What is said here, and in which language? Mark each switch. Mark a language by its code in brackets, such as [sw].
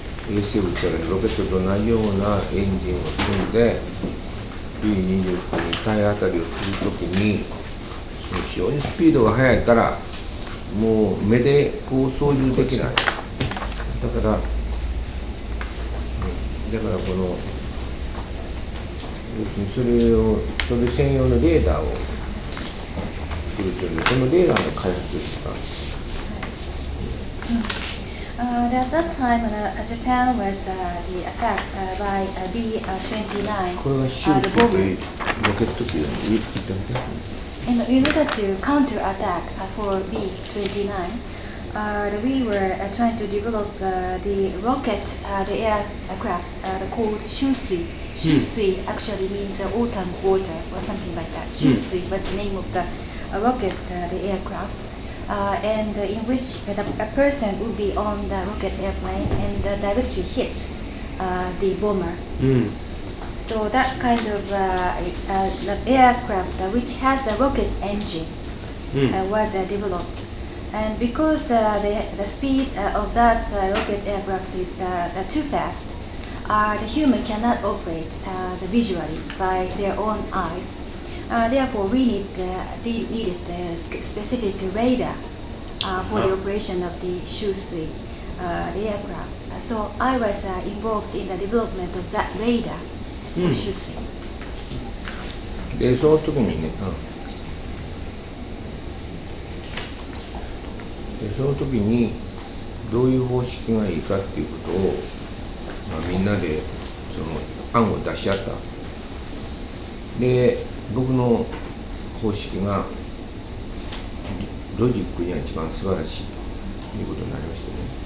[ja] 衛星打ち上げるロケットと同じようなエンジンを積んで B-29 に体当たりをするときに、非常にスピードが速いから、もう目でこう操縦できない。だからこの要するにそれ専用のレーダーを、 [en] At that time, Japan was the attack by B-29. [ja] これが秋水というロケット機だね。 [en] in order to counterattack for B-29, we were trying to develop the rocket, the aircraft called Shusui. Shusui actually means autumn water or something like that. Shusui was the name of the rocket, the aircraft. And in which a person would be on the rocket airplane and directly hit the bomber. So that kind of aircraft which has a rocket engine was developed. And because the speed of that rocket aircraft is too fast, the human cannot operate visually by their own eyes. Therefore, we needed a specific radar for the operation of the Shusui aircraft. So I was involved in the development of that radar for Shusui. [ja] で、その時にね、で、その時にどういう方式がいいかっていうことを、まあ、みんなでその案を出し合った。で、僕の方式がロジックには一番素晴らしいということになりましたね。